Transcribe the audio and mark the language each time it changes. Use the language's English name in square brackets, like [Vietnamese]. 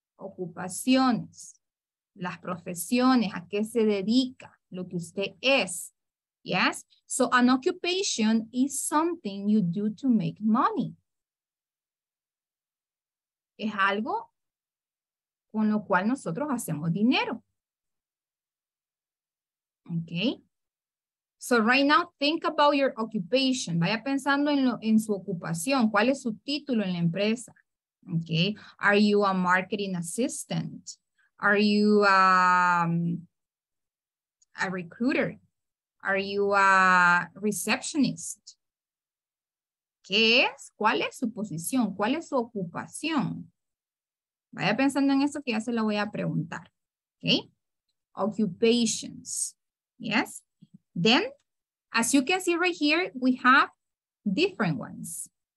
[Spanish] ocupaciones, las profesiones, a qué se dedica, lo que usted es. [English] Yes? So an occupation is something you do to make money. [Spanish] Es algo con lo cual nosotros hacemos dinero. [English] Okay? So right now, think about your occupation. [Spanish] Vaya pensando en su ocupación. ¿Cuál es su título en la empresa? Okay? [English] Are you a marketing assistant? Are you a recruiter? Are you a receptionist? [Spanish] ¿Qué es? ¿Cuál es su posición? ¿Cuál es su ocupación? Vaya pensando en esto que ya se lo voy a preguntar. [English] Okay? Occupations. Yes? Then, as you can see right here, we have different ones.